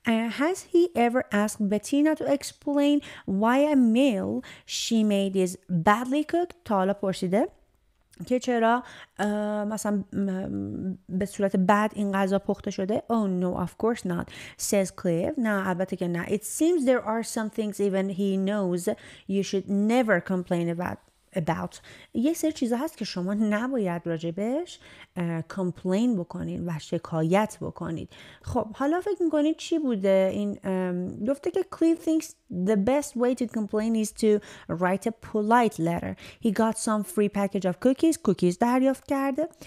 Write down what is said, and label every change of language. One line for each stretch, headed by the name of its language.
English: Has he ever asked Bettina to explain why a meal she made is badly cooked?
Persian: تا حالا پرسیده که چرا مثلا به صورت بد این غذا پخته شده؟
English: Oh no, of course not, says Cliff.
Persian: نه البته که نه.
English: It seems there are some things even he knows you should never complain about.
Persian: یه سری چیزا هست که شما نباید راجبش کمپلین بکنید و شکایت بکنید. خب حالا فکر میکنید چی بوده این؟ گفته که
English: Cliff thinks the best way to complain is to write a polite letter. He got some free package of cookies
Persian: دریافت کرده.